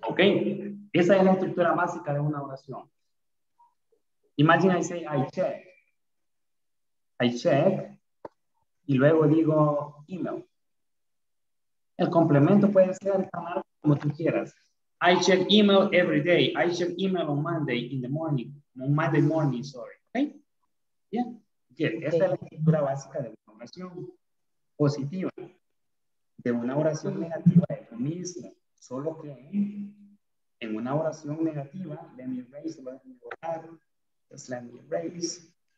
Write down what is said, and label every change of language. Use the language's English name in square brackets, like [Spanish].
[English] Okay. [Spanish] Esa es la estructura básica de una oración. [English] Imagine I say I check. [Spanish] I check. Y luego digo email. El complemento puede ser tomar como tú quieras. [English] I check email every day. I check email on Monday in the morning. On Monday morning, sorry. Okay. Yeah. Bien, okay. [Spanish] Esta es la estructura básica de una oración positiva. De una oración negativa es lo mismo, solo que en una oración negativa, [English] let me erase, let me [Spanish] borrar, [English] just let me erase.